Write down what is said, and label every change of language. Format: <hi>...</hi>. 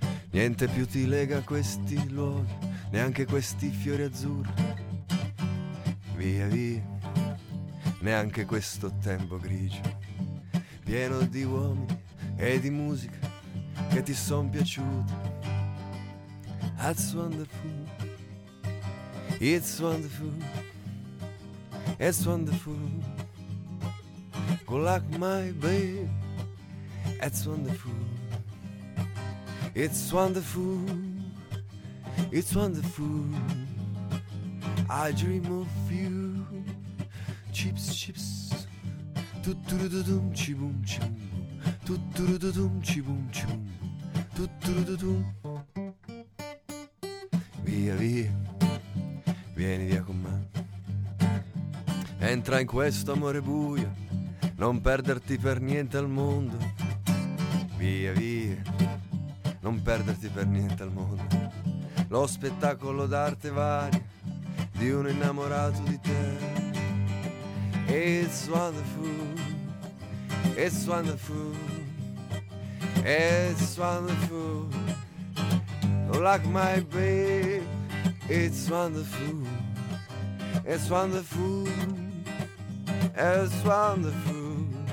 <it>Niente più ti lega a questi luoghi, neanche questi fiori azzurri. Via via, neanche questo tempo grigio, pieno di uomini e di musica che ti son piaciuti.</it> <en>That's wonderful, it's wonderful, it's wonderful. Good luck my baby, it's wonderful, it's wonderful, it's wonderful. I dream of you, chips, chips, tutturududum, chibum, chibum, tutturududum, chibum, chibum, tutturududum.</en> <it>Via, via, vieni via con me. Entra in questo amore buio, non perderti per niente al mondo. Via via, non perderti per niente al mondo. Lo spettacolo d'arte varia di un innamorato di te.</it> <en>It's wonderful, it's wonderful, it's wonderful. Don't like my babe. It's wonderful, it's wonderful, it's wonderful.</en>